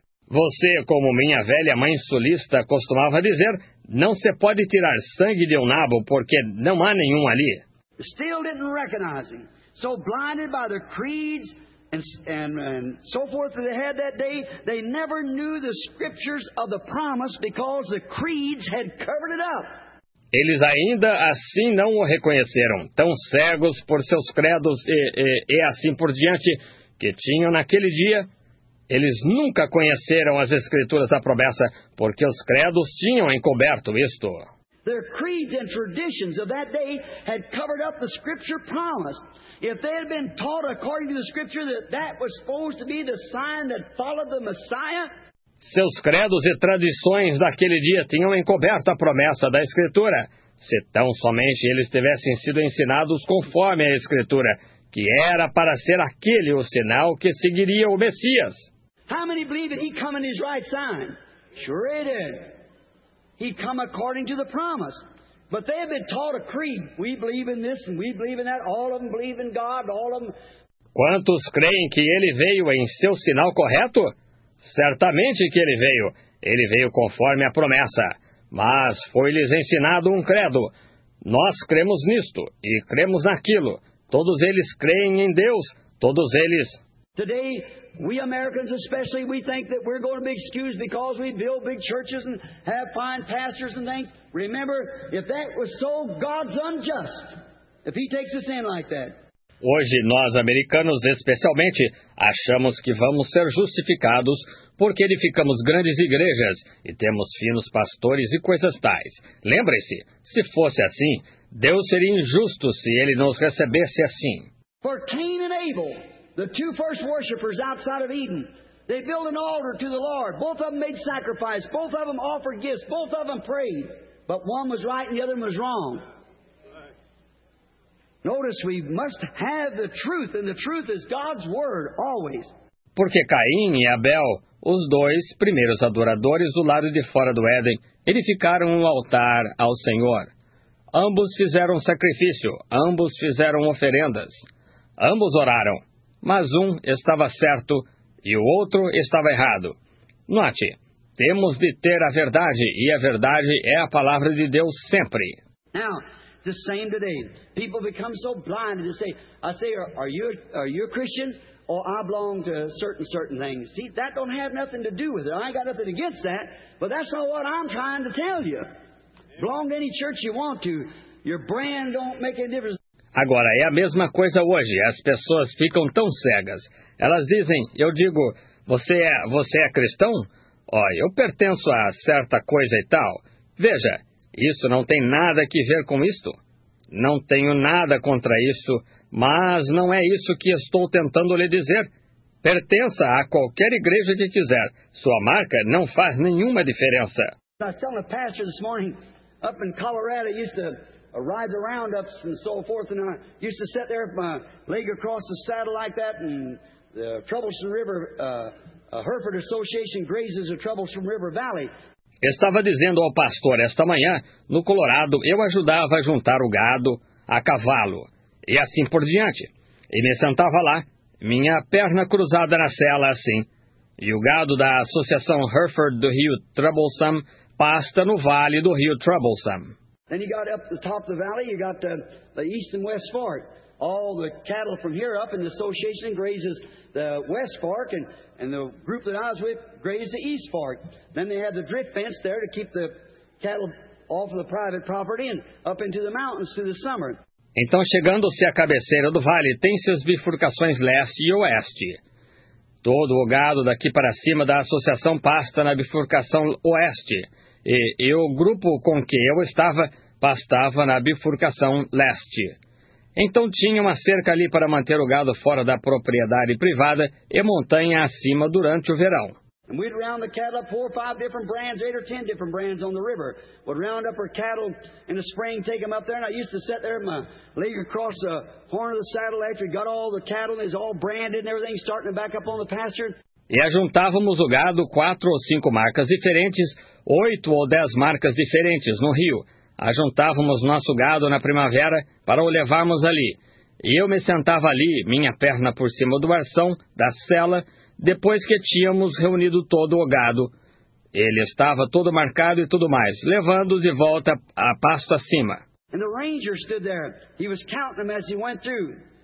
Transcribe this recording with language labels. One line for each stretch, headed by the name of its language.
Portuguese: Você, como minha velha mãe sulista costumava dizer, não se pode tirar sangue de um nabo porque não há nenhum ali.
English: Still didn't recognize him. So blinded by their creeds and so forth that they had that day, they never knew the scriptures of the promise because the creeds had covered it up.
Portuguese: Eles ainda assim não o reconheceram, tão cegos por seus credos e assim por diante, que tinham naquele dia. Eles nunca conheceram as escrituras da promessa, porque os credos tinham encoberto isto.
English: Their creeds and traditions of that day had covered up the scripture promise. If they had been taught according to the scripture that that was supposed to be the sign that followed the Messiah.
Portuguese: Seus credos e tradições daquele dia tinham encoberto a promessa da Escritura, se tão somente eles tivessem sido ensinados conforme a Escritura, que era para ser aquele o sinal que seguiria o Messias.
English: How many believe that he come in his right sign? Sure it did. He come according to the promise. But they have been taught a creed. We believe in this and we believe in that. All of them believe in God. All of them.
Portuguese: Quantos creem que ele veio em seu sinal correto? Certamente que ele veio conforme a promessa, mas foi-lhes ensinado um credo. Nós cremos nisto e cremos naquilo. Todos eles creem em Deus, todos eles.
English: Today, we Americans especially, we think that we're going to be excused because we build big churches and have fine pastors and things. Remember, if that was so, God's unjust. If he takes us in like that.
Portuguese: Hoje, nós, americanos, especialmente, achamos que vamos ser justificados porque edificamos grandes igrejas e temos finos pastores e coisas tais. Lembre-se, se fosse assim, Deus seria injusto se Ele nos recebesse assim.
English: For Cain and Abel, the two first worshippers outside of Eden, they built an altar to the Lord. Both of them made sacrifice, both of them offered gifts, both of them prayed. But one was right and the other one was wrong. Notice we must have the truth, and the truth is God's word, always.
Portuguese: Porque Caim e Abel, os dois primeiros adoradores do lado de fora do Éden, edificaram um altar ao Senhor. Ambos fizeram sacrifício, ambos fizeram oferendas. Ambos oraram, mas um estava certo e o outro estava errado. Note, temos de ter a verdade, e a verdade é a palavra de Deus sempre.
English: Now, the same today. People become so blind to say, are you a Christian or I belong to certain things? See, that don't have nothing to do with it. I ain't got nothing against that, but that's not what I'm trying to tell you. Belong to any church you want to. Your brand don't make any difference.
Portuguese: Agora, é a mesma coisa hoje. As pessoas ficam tão cegas. Elas dizem, eu digo, você é cristão? Ó, eu pertenço a certa coisa e tal. Veja, isso não tem nada que ver com isto. Não tenho nada contra isso, mas não é isso que estou tentando lhe dizer. Pertença a qualquer igreja que quiser. Sua marca não faz nenhuma diferença.
English: I was telling a pastor this morning, up in Colorado, I used to ride the roundups and so forth, and I used to sit there with my leg across the saddle like that, and the Troublesome River, Hereford Association grazes the Troublesome River Valley.
Portuguese: Estava dizendo ao pastor esta manhã, no Colorado, eu ajudava a juntar o gado a cavalo, e assim por diante. E me sentava lá, minha perna cruzada na sela, assim. E o gado da Associação Hereford do Rio Troublesome pasta no vale do Rio Troublesome.
English: Then you got up the top of the valley, you got the east and west fork. All the cattle from here up in the association grazes the west fork, and the group that I was with grazed the east fork. Then they had the drift fence there to keep the cattle off of the private property and up into the mountains through the summer.
Portuguese: Então, chegando-se à cabeceira do vale, tem suas bifurcações leste e oeste. Todo o gado daqui para cima da associação pasta na bifurcação oeste, e o grupo com que eu estava pastava na bifurcação leste. Então tinha uma cerca ali para manter o gado fora da propriedade privada e montanha acima durante o verão.
English: And we'd round the cattle up four or five different brands, eight or ten different brands on the river. We'd round up our cattle in the spring, take them up there, and I used to sit there with my leg across the horn of the saddle after we got all the cattle, and it's all branded and everything, starting back up on the pasture.
Portuguese: E ajuntávamos o gado quatro ou cinco marcas diferentes, oito ou dez marcas diferentes no rio. Ajuntávamos nosso gado na primavera para o levarmos ali. E eu me sentava ali, minha perna por cima do arção, da sela, depois que tínhamos reunido todo o gado. Ele estava todo marcado e tudo mais, levando de volta a pasto acima.
English: And the ranger stood there. He was counting them as he went through.